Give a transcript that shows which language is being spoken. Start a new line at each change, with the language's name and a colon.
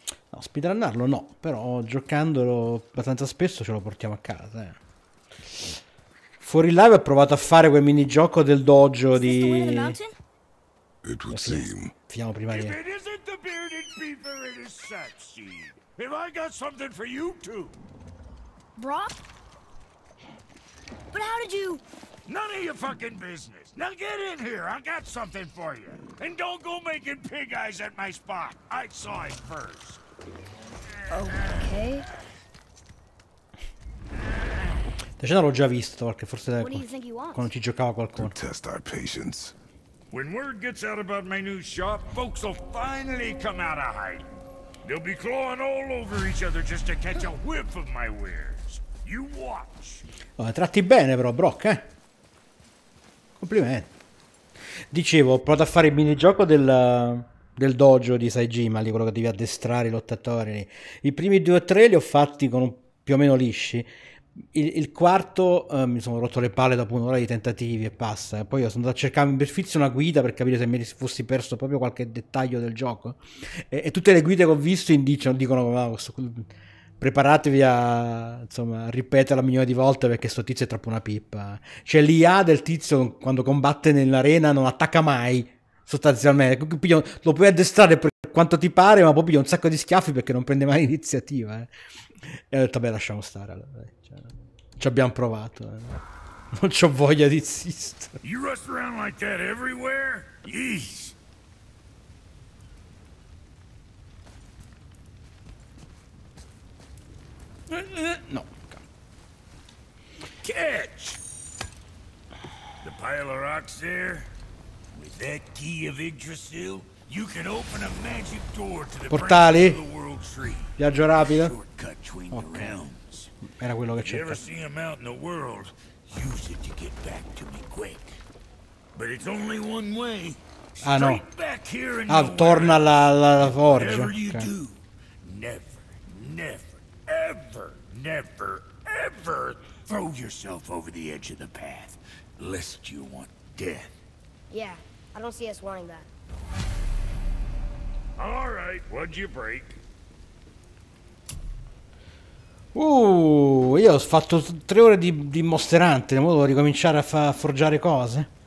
Italian: No, speedrunnarlo no, però giocandolo abbastanza spesso ce lo portiamo a casa, eh. Fuori live ho provato a fare quel minigioco del dojo di...
English: It would seem.
Italian: Finiamo prima di...
English: If it isn't the bearded beaver, it is sad seed. Have I got something for you too? Brock? But how did you... None of your fucking business. Now get in here, I got something for you. And don't go making pig eyes at my spot. I saw it first. Okay.
Italian: Deci l'ho già visto, perché forse quando ci giocava qualcuno.
English: Test our patience. When word gets out about my new shop, folks will finally come out of hiding. They'll be clawing all over each other just to catch a whiff of my wares. You watch.
Italian: Oh, tratti bene però, Brock, eh? Complimenti. Dicevo, ho provato a fare il minigioco del dojo di Saejima, lì quello che devi addestrare i lottatori. Lì. I primi due o tre li ho fatti con più o meno lisci. Il quarto mi sono rotto le palle dopo un'ora di tentativi e passa. Poi sono andato a cercare in perfizio una guida per capire se mi fossi perso proprio qualche dettaglio del gioco. E tutte le guide che ho visto dicono preparatevi a, insomma, ripetere la milione di volte perché sto tizio è troppo una pippa. Cioè l'IA del tizio quando combatte nell'arena non attacca mai, sostanzialmente. Lo puoi addestrare per quanto ti pare, ma poi piglia un sacco di schiaffi perché non prende mai iniziativa. E ho detto, beh, lasciamo stare. Allora, cioè, ci abbiamo provato. Non c'ho voglia di insistere.
English: You rust around like that everywhere? Yeesh. No. Catch! The pile of rocks there? With that key of Yggdrasil, you can open a magic door to the
Italian: portali?
English: Of the world tree.
Italian: Viaggio rapido.
English: Shortcut between the realms.
Italian: Era quello che cercavo.
English: Never see him out in the world. Use it to get back to me quick. But it's only one way.
Italian: Ah no.
English: Back here in
Italian: ah, torna alla forgia.
English: Okay. Do, never, never. Ever, never, ever throw yourself over the edge of the path, lest you want death. Yeah, I don't see us wanting that. All right, what'd you break?
Italian: Io ho fatto 3 ore di Monster Hunter, ora devo ricominciare a forgiare cose.